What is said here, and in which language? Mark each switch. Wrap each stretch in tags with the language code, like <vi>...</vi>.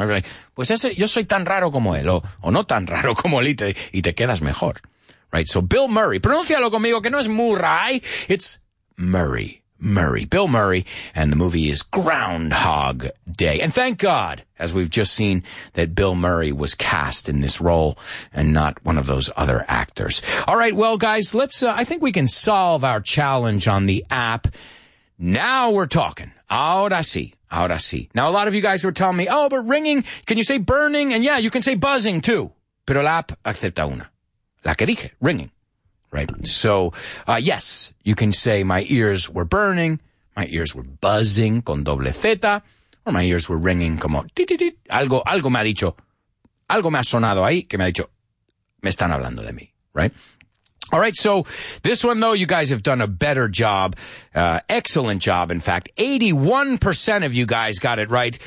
<es>Everybody, pues ese, yo soy tan raro como él, o no tan raro como él, y te quedas mejor. Right? So Bill Murray, pronúncialo conmigo, que no es Murray.</es> <en>It's Murray. Murray, Bill Murray, and the movie is Groundhog Day. And thank God, as we've just seen, that Bill Murray was cast in this role and not one of those other actors. All right, well, guys, I think we can solve our challenge on the app. Now we're talking.</en> <es>Ahora sí. Ahora sí.</es> <en>Now, a lot of you guys were telling me, oh, but ringing, can you say burning? And yeah, you can say buzzing, too.</en> <es>Pero la app acepta una. La que dije,</es> <en>ringing. Right. So, yes, you can say my ears were burning, my ears were buzzing</en> <es>con doble Z,</es> <en>or my ears were ringing como tit-tit-tit.</en> <es>Algo me ha dicho, algo me ha sonado ahí que me ha dicho, me están hablando de mí.</es> <en>Right. All right. So this one, though, you guys have done a better job. Excellent job. In fact, 81% of you guys got it right.</en>